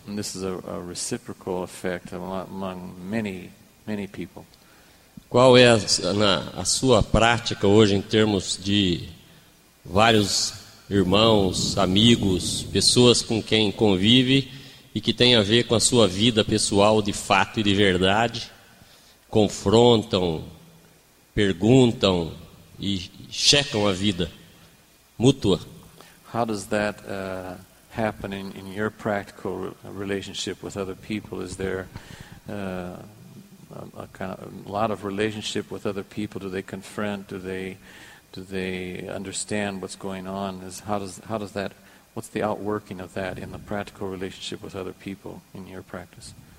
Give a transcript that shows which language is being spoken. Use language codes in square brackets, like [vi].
[en] And this is a reciprocal effect among many, many people. [pt] Qual é a sua prática hoje em termos de vários irmãos, amigos, pessoas com quem convive e que tem a ver com a sua vida pessoal de fato e de verdade, confrontam, perguntam e checam a vida mútua? [en] How does that happen in your practical relationship with other people? Is there a kind of a lot of relationship with other people? Do they confront? Do they understand what's going on? What's the outworking of that in the practical relationship with other people in your practice?